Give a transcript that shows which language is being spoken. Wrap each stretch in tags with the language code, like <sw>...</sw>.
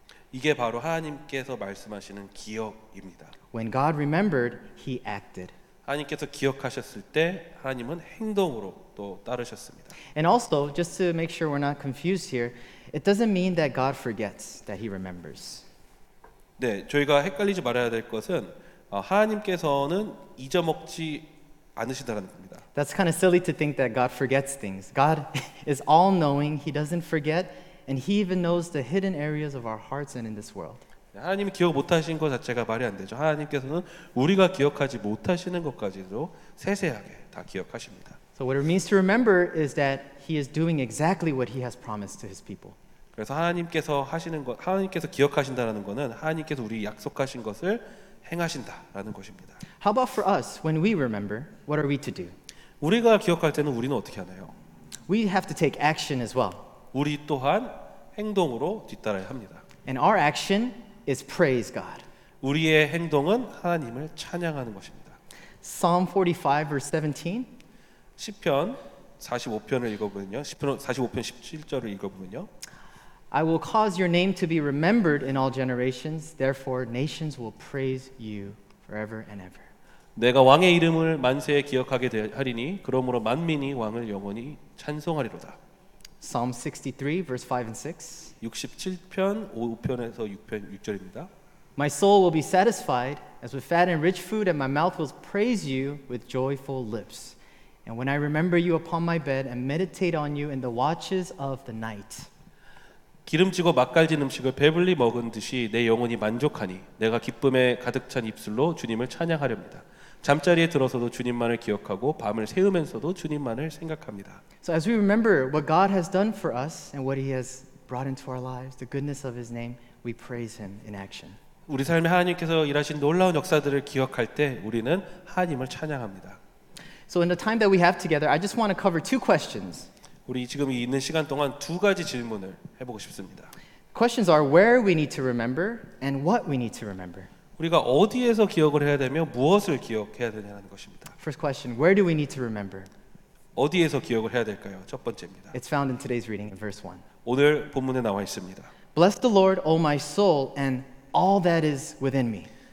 <ko>이게 바로 하나님께서 말씀하시는 기억입니다.</ko> <en>When God remembered, he acted.</en> <ko>하나님께서 기억하셨을 때 하나님은 행동으로 또 따르셨습니다.</ko> <en>And also, just to make sure we're not confused here, it doesn't mean that God forgets that he remembers.</en> <ko>네, 저희가 헷갈리지 말아야 될 것은 하나님께서는 잊어먹지 않으시다라는 겁니다.</ko> <en>That's kind of silly to think that God forgets things. God is all-knowing, he doesn't forget, and he even knows the hidden areas of our hearts and in this world.</en> <ko>하나님이 기억 못하신 것 자체가 말이 안 되죠. 하나님께서는 우리가 기억하지 못하시는 것까지도 세세하게 다 기억하십니다.</ko> <en>So what it means to remember is that he is doing exactly what he has promised to his people.</en> <ko>그래서 하나님께서 하시는 것, 하나님께서 기억하신다라는 것은 하나님께서 우리 약속하신 것을 행하신다라는 것입니다.</ko> <en>How about for us, when we remember, what are we to do?</en> <ko>우리가 기억할 때는 우리는 어떻게 하나요?</ko> <en>We have to take action as well.</en> <ko>우리 또한 행동으로 뒤따라야 합니다.</ko> <en>And our action is praise God.</en> <ko>우리의 행동은 하나님을 찬양하는 것입니다.</ko> <en>Psalm 45 verse 17.</en> <ko>시편 45편을 읽어보면요. 시편 45편 17절을 읽어보면요.</ko> <en>I will cause your name to be remembered in all generations. Therefore, nations will praise you forever and ever.</en> <ko>내가 왕의 이름을 만세에 기억하게 하리니 그러므로 만민이 왕을 영원히 찬송하리로다.</ko> <en>Psalm 63 verse 5 and 6.</en> <ko>67편 5편에서 6편 6절입니다.</ko> <en>My soul will be satisfied as with fat and rich food and my mouth will praise you with joyful lips. And when I remember you upon my bed and meditate on you in the watches of the night.</en> <ko>기름지고 맛깔진 음식을 배불리 먹은 듯이 내 영혼이 만족하니 내가 기쁨에 가득 찬 입술로 주님을 찬양하렵니다. 잠자리에 들어서도 주님만을 기억하고 밤을 새우면서도 주님만을 생각합니다.</ko> <en>So as we remember what God has done for us and what he has brought into our lives, the goodness of his name, we praise him in action.</en> <ko>우리 삶에 하나님께서 일하신 놀라운 역사들을 기억할 때 우리는 하나님을 찬양합니다.</ko> <en>So in the time that we have together, I just want to cover two questions.</en> <ko>우리 지금 있는 시간 동안 두 가지 질문을 해보고 싶습니다.</ko> <en>Questions are where we need to remember and what we need to remember.</en> <ko>우리가 어디에서 기억을 해야 되며 무엇을 기억해야 되냐는 것입니다.</ko> <en>First question, where do we need to remember?</en> <ko>어디에서 기억을 해야 될까요? 첫 번째입니다.</ko> <en>It's found in today's reading in verse 1.</en> <ko>오늘 본문에 나와 있습니다.</ko> <en>Bless the Lord, O my soul, and all that is within me.</en>